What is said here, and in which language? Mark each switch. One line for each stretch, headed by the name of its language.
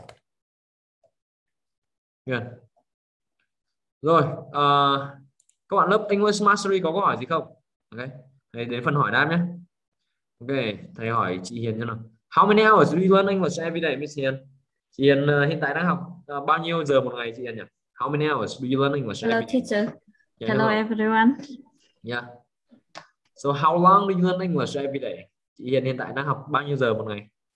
Vietnamese: Ok. Yeah. Rồi các bạn lớp English Mastery có câu hỏi gì không? Ok, thầy đến phần hỏi đáp nhé. Ok, thầy hỏi chị Hiền cho nào.
English: How many hours do you learn English every day, Miss Hiền?
Vietnamese: Chị Hiền hiện tại đang học bao nhiêu giờ một ngày chị Hiền nhỉ?
English: How many hours do you learn English? Hello teacher. Yeah, hello everyone. Yeah. So how long do you learn English every day?
Vietnamese: Chị Hiền hiện tại đang học bao nhiêu giờ một ngày?